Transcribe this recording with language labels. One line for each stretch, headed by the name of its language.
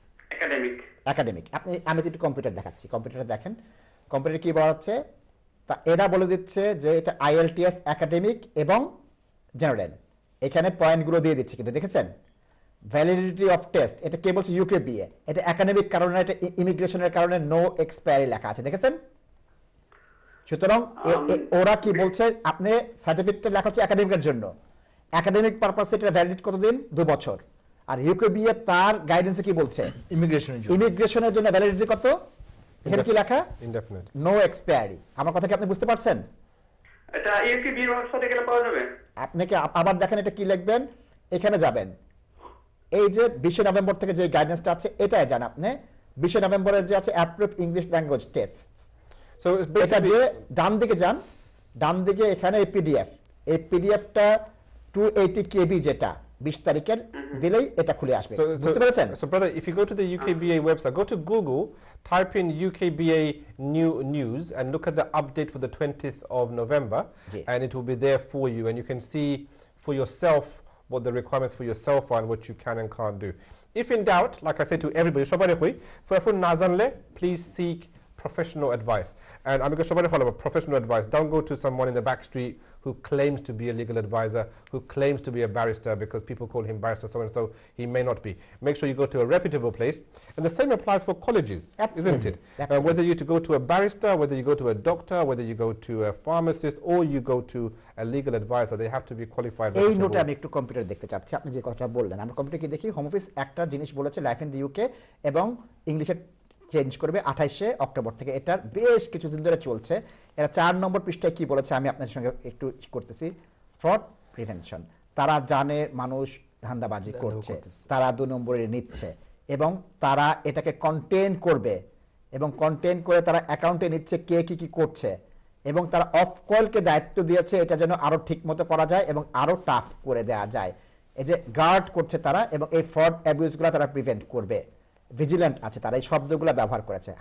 English: Academic. Academic.
Bangla: Apni ami ekta computer dekhachi, computer dekhen, computer ki bolche, ta era bole dicche je eta ILTS academic ebong general, এখানে পয়েন্টগুলো দিয়ে দিচ্ছে, কিন্তু দেখেছেন validity of test, এটা কে বলছে? UK BA. এটা একাডেমিক কারণে, এটা ইমিগ্রেশনের কারণে নো এক্সপায়ারি লেখা আছে, দেখেছেন? সুতরাং ওরা কি বলছে, আপনি সার্টিফিকেটটা লেখা হচ্ছে একাডেমিকের জন্য, একাডেমিক পারপাসে এটা ভ্যালিডিটি কতদিন? 2 বছর। আর ইউকে বিএ তার গাইডেন্সে কি বলছে? ইমিগ্রেশনের জন্য, ইমিগ্রেশনের জন্য ভ্যালিডিটি কত? এখানে কি লেখা? Indefinite, no expiry. আমার কথা কি আপনি বুঝতে পারছেন? এটা ইউকে বিএর ওয়েবসাইটে গেলে পাওয়া যাবে। আপনাকে আবার দেখেন এটা কি লিখবেন, এখানে যাবেন, এই যে 20 নভেম্বর থেকে যে গাইডেন্সটা আছে এটাই জান আপনি, 20 নভেম্বরের যে আছে approve English language test.
English: so basically
Bangla: ডান দিকে যান, ডান দিকে এখানে এই পিডিএফ, এই পিডিএফটা 280 KB যেটা 20 তারিখের দিলেই এটা খুলে আসবে, বুঝতে পেরেছেন?
English: So brother, if you go to the UKBA website, go to Google, type in UKBA new news and look at the update for the 20th of November and it will be there for you and you can see for yourself what the requirements for yourself are and what you can and can't do. If in doubt, like I said to everybody,
Bangla: shobari hoy for phone na janle
English: please seek professional advice. And I'm going to
Bangla: shobari hoy
English: professional advice, don't go to someone in the back street who claims to be a legal advisor, who claims to be a barrister, because people call him barrister so and so, he may not be. Make sure you go to a reputable place. And the same applies for colleges, absolutely, isn't it? Whether you to go to a barrister, whether you go to a doctor, whether you go to a pharmacist, or you go to a legal advisor, they have to be qualified.
Bangla: এই নোটে আমি একটু computer দেখতে চাচ্ছি, আপনি যে কথাটা বললেন, আমি কম্পিউটার কি দেখি, হোম অফিস একটা জিনিস বলেছে লাইফ ইন দি ইউকে এবং ইংলিশে চেঞ্জ করবে 28 অক্টোবর থেকে, এটার বেশ কিছুদিন ধরে চলছে। এরা 4 নম্বর পৃষ্ঠায় কী বলেছে আমি আপনাদের সঙ্গে একটু করতেছি, ফ্রড প্রিভেনশন, তারা জানে মানুষ ধান্দাবাজি করছে, তারা 2 নম্বরে নিচ্ছে এবং তারা এটাকে কন্টেন করবে এবং কন্টেন করে তারা অ্যাকাউন্টে নিচ্ছে কে কী কী করছে এবং তারা অফ কলকে দায়িত্ব দিয়েছে এটা যেন আরও ঠিকমতো করা যায় এবং আরও টাফ করে দেওয়া যায়, এই যে গার্ড করছে তারা এবং এই ফ্রড অ্যাবিউজগুলো তারা প্রিভেন্ট করবে, ভিজিল্যান্ট আছে তারা, এই শব্দগুলো ব্যবহার করেছে।